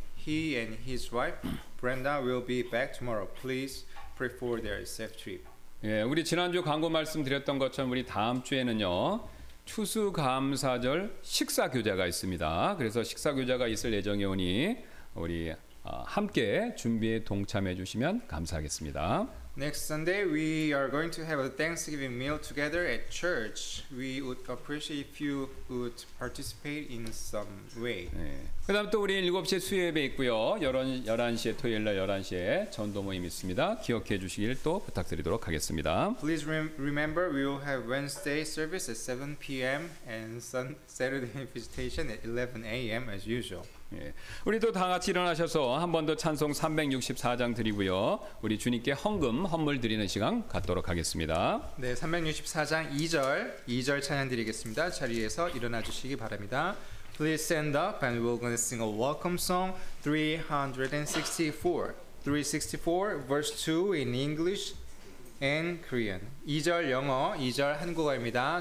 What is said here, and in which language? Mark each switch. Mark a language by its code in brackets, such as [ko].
[en] He and his wife, Brenda, will be back tomorrow. Please pray for their safe trip. [ko] 예, 우리 지난주 광고 말씀드렸던 것처럼 우리 다음 주에는요 추수감사절 식사 교재가 있습니다. 그래서 식사 교재가 있을 예정이오니 우리 함께 준비에 동참해 주시면 감사하겠습니다. [en] Next Sunday, we are going to have a Thanksgiving meal together at church. We would appreciate if you would participate in some way. [ko] 네. 그다음 또 우리 7시에 수요예배 있고요. 11시에 토요일날 11시에 전도 모임 있습니다. 기억해 주시길 또 부탁드리도록 하겠습니다. [en] Please remember we will have Wednesday service at 7 p.m. and Saturday visitation at 11 a.m. as usual. [ko] 예, 우리도 다 같이 일어나셔서 한 번 더 찬송 364장 드리고요. 우리 주님께 헌금 헌물 드리는 시간 갖도록 하겠습니다. 네, 364장 2절 찬양 드리겠습니다. 자리에서 일어나 주시기 바랍니다. [en] Please stand up and we're going to sing a welcome song 364 verse 2 in English and Korean. [ko] 2절 영어, 2절 한국어입니다.